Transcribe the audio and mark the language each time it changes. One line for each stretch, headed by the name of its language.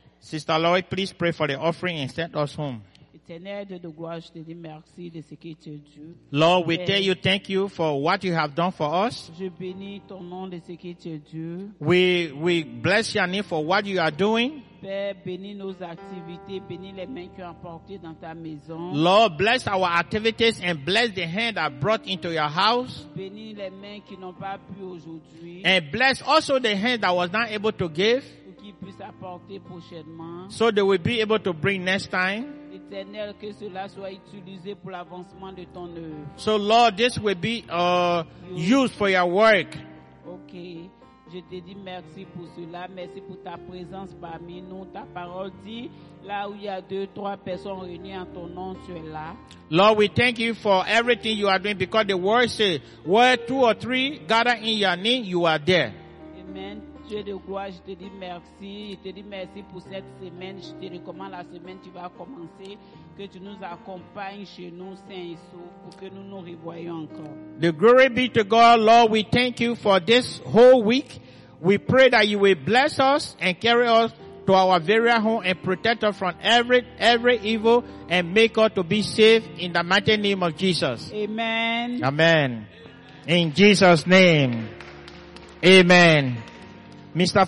English: Sister Lloyd, please pray for the offering and send us home. Lord, we tell you thank you for what you have done for us. We bless your name for what you are doing.
French: Père, bénis nos activités, bénis les mains que tu as portées dans ta maison.
English: Lord, bless our activities and bless the hand that brought into your house.
French: Bénis les mains qui n'ont pas pu aujourd'hui.
English: And bless also the hand that was not able to give.
French: Pour qu'ils puissent apporter prochainement.
English: So they will be able to bring next time.
French: Éternel, que cela soit utilisé pour l'avancement de ton œuvre.
English: So Lord, this will be used for your work. Okay.
French: Je te dis merci pour cela, merci pour ta présence parmi nous. Ta parole dit, là où il y a deux, trois personnes réunies en ton nom, tu es là.
English: Lord, we thank you for everything you are doing because the word says, where two or three gather in your name, you are there.
French: Amen. Dieu de gloire, je te dis merci. Je te dis merci pour cette semaine. Je te recommande la semaine qui va commencer. Que tu nous accompagnes chez nous, Saint Jésus, pour que nous nous revoyons encore.
English: The glory be to God, Lord. We thank you for this whole week. We pray that you will bless us and carry us to our very home and protect us from every evil and make us to be safe in the mighty name of Jesus. Amen. Amen. In Jesus' name. Amen. Mr.